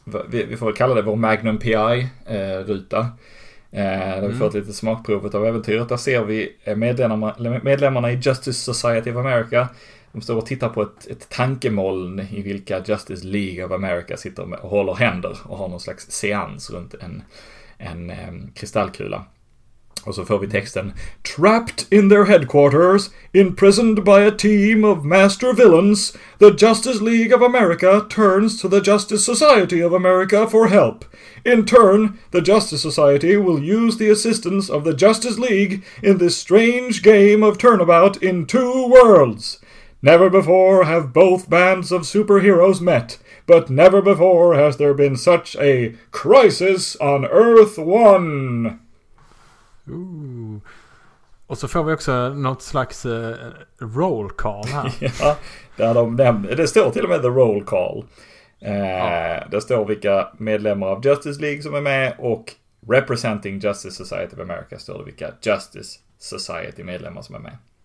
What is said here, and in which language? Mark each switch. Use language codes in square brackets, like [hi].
[sv] Vi får kalla det vår Magnum PI-ruta. Där vi får ett litet smakprov av äventyret. Där ser vi medlemmarna i Justice Society of America. De står och tittar på ett tankemoln i vilka Justice League of America sitter med och håller händer och har någon slags seans runt en kristallkula. Och så får vi texten: [en] Trapped in their headquarters, imprisoned by a team of master villains, the Justice League of America turns to the Justice Society of America for help. In turn, the Justice Society will use the assistance of the Justice League in this strange game of turnabout in two worlds. Never before have both bands of superheroes met, but never before has there been such a crisis on Earth 1. Ooh. [sv] Och så får vi också något slags roll call här. Ja, det står till och med the roll call. Det står vilka medlemmar av Justice League som är med, och representing Justice Society of America står det vilka Justice Society-medlemmar som är med.